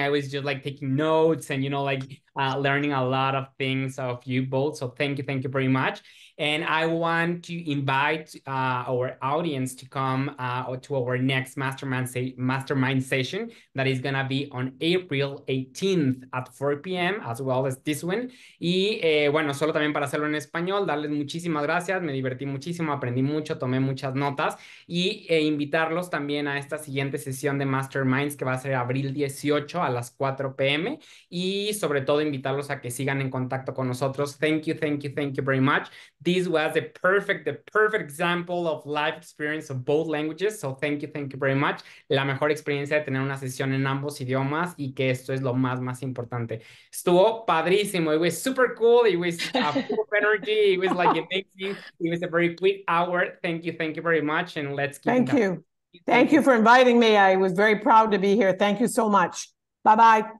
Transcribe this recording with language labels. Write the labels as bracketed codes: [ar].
[en] I was just like taking notes and, you know, like learning a lot of things of you both. So thank you very much. And I want to invite our audience to come to our next mastermind session that is going to be on April 18th at 4 p.m. as well as this one. [es] Y bueno, solo también para hacerlo en español, darles muchísimas gracias. Me divertí muchísimo, aprendí mucho, tomé muchas notas. Y invitarlos también a esta siguiente sesión de Masterminds que va a ser abril 18 a las 4 p.m. Y sobre todo invitarlos a que sigan en contacto con nosotros. [en] Thank you very much. This was the perfect example of life experience of both languages. So thank you very much. [es] La mejor experiencia de tener una sesión en ambos idiomas y que esto es lo más, más importante. Estuvo padrísimo. [en] It was super cool. It was a full of energy. It was like amazing. It was a very quick hour. Thank you very much. And let's keep going. Thank you for inviting me. I was very proud to be here. Thank you so much. Bye-bye.